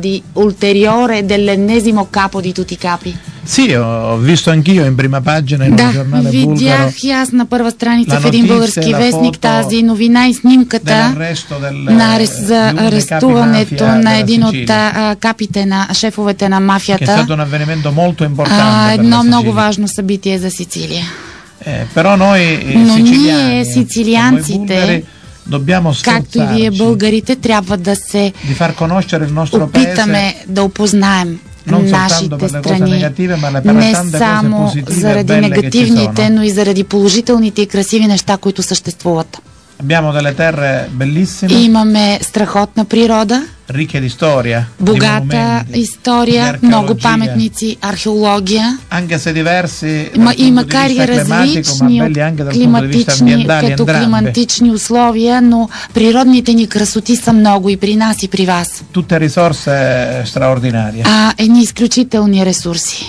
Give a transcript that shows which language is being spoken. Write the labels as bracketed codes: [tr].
[it] Di ulteriore dell'ennesimo capo di tutti i capi. Sì, ho visto anch'io in prima pagina in un giornale bulgaro. [bg] Да, видях и аз на първа страница в един български вестник тази новина и снимката на арестуването на един от капите на шефовете на мафията. [it] Che è stato un avvenimento molto importante per la Sicilia. [bg] Едно много важно събитие за Сицилия. [it] Però noi [bg] сицилианците, както и вие българите, трябва да се опитаме да опознаем нашите страни, не само заради негативните, но и заради положителните и красиви неща, които съществуват. [it] Abbiamo delle terre bellissime. [bg] Имаме страхотна природа. [it] Ricche di storia. [bg] Богата история, много паметници, археология. [it] Anche se diversi dal punto di vista climatico, ma belli anche dal punto di vista ambientale, [bg] като климатични условия, но природните ни красоти са много и при нас и при вас. [it] Tutte risorse straordinarie. [bg] Едни изключителни ресурси.